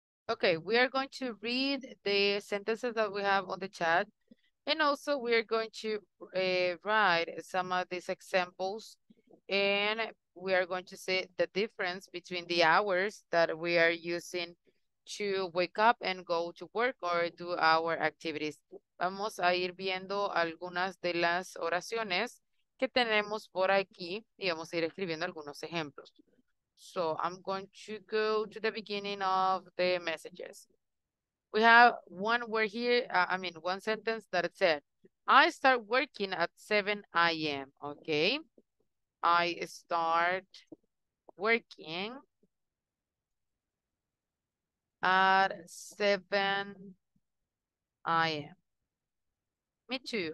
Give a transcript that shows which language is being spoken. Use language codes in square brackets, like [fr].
[en] Okay, we are going to read the sentences that we have on the chat, and also we are going to write some of these examples, and we are going to see the difference between the hours that we are using to wake up and go to work or do our activities. [es] Vamos a ir viendo algunas de las oraciones que tenemos por aquí y vamos a ir escribiendo algunos ejemplos. [en] So I'm going to go to the beginning of the messages. We have one word here, one sentence that said, I start working at 7 a.m. Okay. I start working at 7 a.m. Me too.